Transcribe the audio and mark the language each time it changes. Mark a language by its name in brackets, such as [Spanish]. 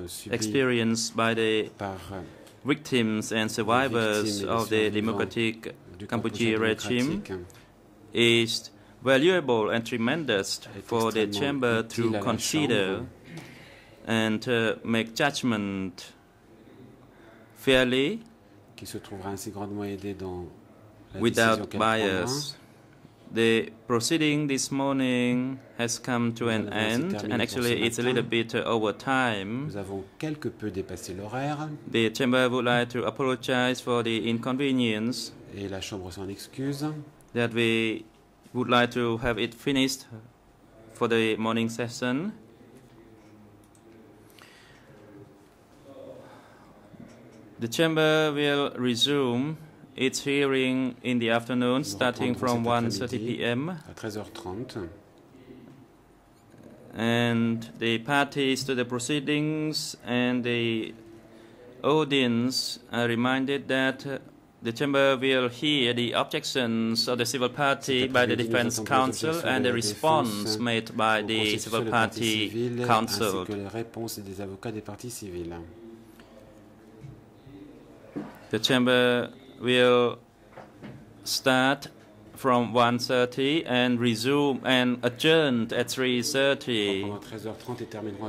[English] experienced by the victims and survivors of the democratic Cambodian regime is valuable and tremendous for the chamber to consider and to make judgment fairly [French] qui se trouvera ainsi grandement aidé dans la [English] without bias. The proceeding this morning has come to an end, and actually it's a little bit over time. [French] Nous avons quelque peu dépassé l'horaire. [English] The chamber would like to apologize for the inconvenience. [French] Et la chambre s'en excuse. [English] That we would like to have it finished for the morning session. The chamber will resume its hearing in the afternoon, [French] nous [English] starting from 1:30 p.m. [French] à 13h30. [English] And the parties to the proceedings and the audience are reminded that the chamber will hear the objections of the civil party by the defense counsel and the response made by the civil party counsel. [French] Ainsi que les réponses des avocats des parties civiles. [English] The chamber will start from 1:30 and resume and adjourn at 3:30.